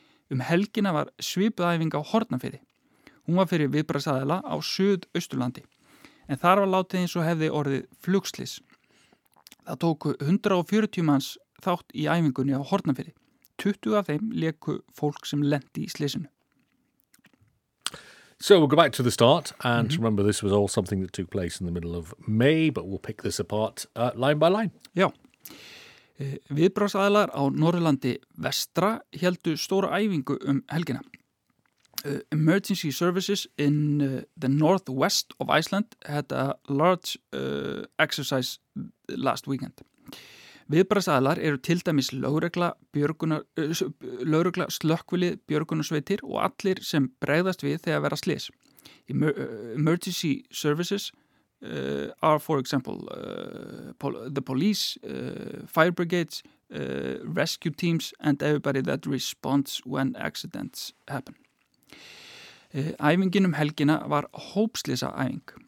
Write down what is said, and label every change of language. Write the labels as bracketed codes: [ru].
[is] Helgina var svipuð æfing á Hornafirði. Hún var fyrir viðbragðsaðila á Suðausturlandi, en þar var látið eins og hefði orðið flugslys. Það tóku 140 manns þátt í æfingunni á Hornafirði. 20 af þeim léku fólk sem lenti í slysinu. [en] So we'll go back to the start, and mm-hmm. remember this was all something that took place in the middle of May, but we'll pick this apart line by line. [is] Já, viðbragðsaðilar á Norðurlandi vestra heldu stóra æfingu helgina. [en] Emergency services in the northwest of Iceland had a large exercise last weekend. [is] Viðbragðsaðilar eru til dæmis lögregla, slökkvilið, björgunarsveitir og allir sem bregðast við þegar vera slys. [en] Emergency services are, for example, the police, fire brigades, rescue teams and everybody that responds when accidents happen. [is] Æfingin helgina var hópslysa æfing.